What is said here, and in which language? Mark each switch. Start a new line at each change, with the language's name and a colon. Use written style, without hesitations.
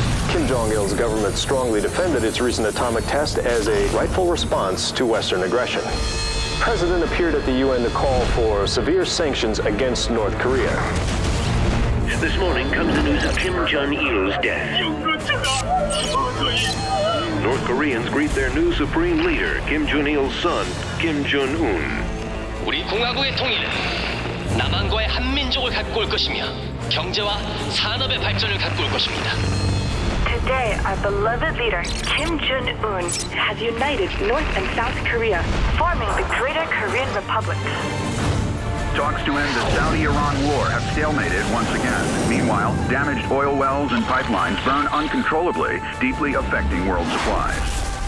English: Kim Jong-il's government strongly defended its recent atomic test as a rightful response to Western aggression. The president appeared at the UN to call for severe sanctions against North Korea. This morning comes the news of Kim Jong-il's death. North Koreans greet their new supreme leader, Kim Jong-il's son, Kim Jong-un.
Korean: 우리 공화국의 통일은 남한과의 한민족을 갖고 올 것이며 경제와 산업의 발전을 갖고 올 것입니다.
English: Today, our beloved leader, Kim Jong-un, has united North and South Korea, forming the Greater Korean Republic. Talks to end the Saudi-Iran war have stalemated once again. Meanwhile, damaged oil wells and pipelines burn uncontrollably, deeply affecting world supplies.